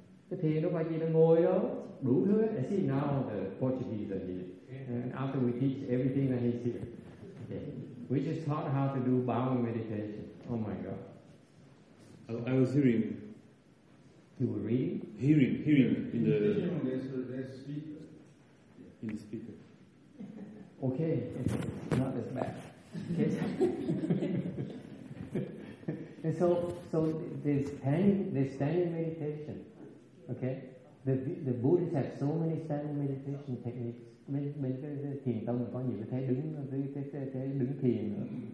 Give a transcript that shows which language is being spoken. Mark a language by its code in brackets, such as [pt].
[vi] Cái thiền đâu phải chỉ là ngồi đâu, đủ thứ. [en] I see now the Portuguese are here. And after we teach everything that he's here. Okay. We just taught how to do bowing meditation. Oh my God. I was hearing. You were reading? Hearing. In the speaker. Okay, it's not as bad. Okay. And so there's standing meditation. Okay, the Buddhists have so many standing meditation techniques. [vi] Meditation thiền tông có nhiều cái thế đứng, thế đứng thiền nữa.